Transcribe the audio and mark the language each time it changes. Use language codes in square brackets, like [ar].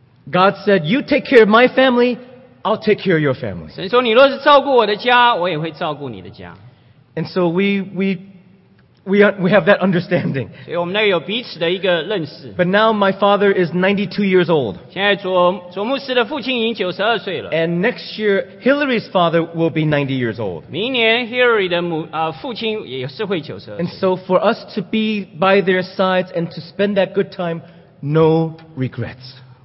[en] God said, you take care of my family, I'll take care of your family. [zh] 神说你若是照顾我的家, 我也会照顾你的家。 [en] And so we have that understanding. [zh] 所以我们那有彼此的一个认识。 [en] But now my father is 92 years old. [zh] 现在卓牧师的父亲已经92岁了。 [en] And next year, Hillary's father will be 90 years old. [zh] 明年Hillary的父亲也是会92岁。 [en] And so for us to be by their sides and to spend that good time, no regrets.